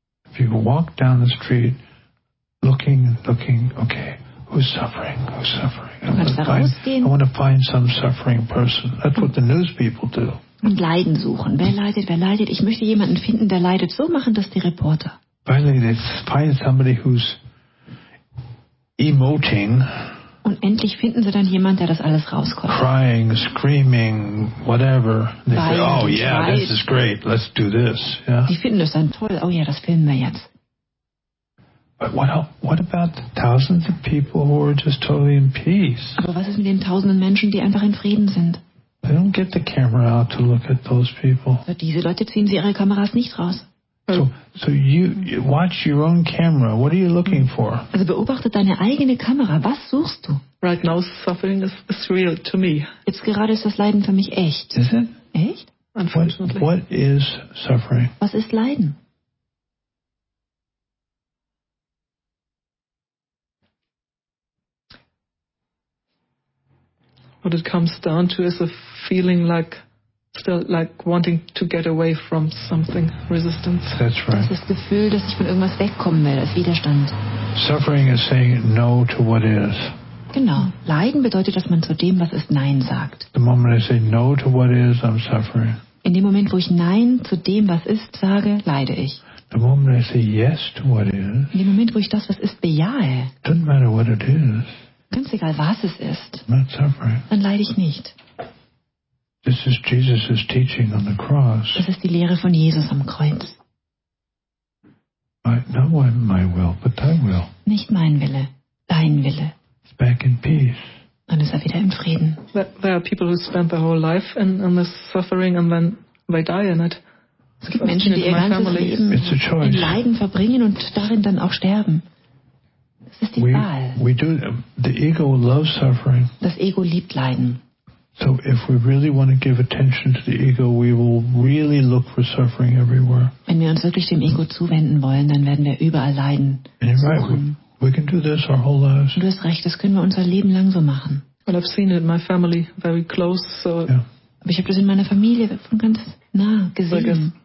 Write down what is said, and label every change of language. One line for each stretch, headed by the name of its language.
English: If you walk down the street, looking, okay, who's suffering?
German: Du kannst da rausgehen.
English: I want to find some suffering person. That's what the news people do.
German: Und Leiden suchen. Wer leidet? Ich möchte jemanden finden, der leidet. So machen das die Reporter.
English: Finally, they find somebody who's emoting.
German: Und endlich finden sie dann jemanden, der das alles rauskommt.
English: Crying, screaming, whatever. They say, oh yeah, this is great. Let's do this. Yeah.
German: Die finden das dann toll. Oh ja, das filmen wir jetzt.
English: But what about the thousands of people who are just totally in peace?
German: Aber was ist mit den tausenden Menschen, die einfach in Frieden sind?
English: They don't get the camera out to look at those people.
German: Aber diese Leute ziehen sie ihre Kameras nicht raus.
English: So you watch your own camera. What are you looking for?
German: Also beobachte deine eigene Kamera. Was suchst du?
English: Right now suffering is real to me.
German: Jetzt gerade ist das Leiden für mich echt.
English: Is it?
German: Echt?
English: Unfortunately. What is suffering?
German: Was ist Leiden?
English: What it comes down to is a feeling like still like wanting to get away from something, resistance. That's right.
German: Das ist das Gefühl, dass ich von irgendwas wegkommen will, als Widerstand.
English: Suffering is saying no to what is.
German: Genau. Leiden bedeutet, dass man zu dem, was ist, Nein sagt.
English: The moment I say no to what is, I'm suffering.
German: In dem Moment, wo ich Nein zu dem, was ist, sage, leide ich.
English: The moment I say yes to what is,
German: in dem Moment, wo ich das, was ist, bejahe,
English: doesn't matter what it is,
German: ganz egal, was es ist,
English: not suffering,
German: dann leide ich nicht.
English: This is Jesus' teaching on the cross.
German: Das ist die Lehre von Jesus am Kreuz.
English: Not my will, but thy will.
German: Nicht mein Wille, dein Wille.
English: It's back in peace.
German: Dann ist wieder im Frieden.
English: There are people who spend their whole life in this suffering and then they die in it.
German: Es gibt Menschen, die ihr ganzes Leben in Leiden verbringen und darin dann auch sterben. Das ist die Wahl.
English: We do. The ego loves suffering.
German: Das Ego liebt Leiden.
English: So if we really want to give attention to the ego, we will really look for suffering everywhere.
German: Wenn wir uns wirklich dem Ego zuwenden wollen, dann werden wir überall leiden.
English: We can do this our whole lives.
German: Du hast recht, das können wir unser Leben lang so machen.
English: Well, I've seen it in my family very close. So yeah.
German: Aber ich habe das in meiner Familie von ganz nah gesehen.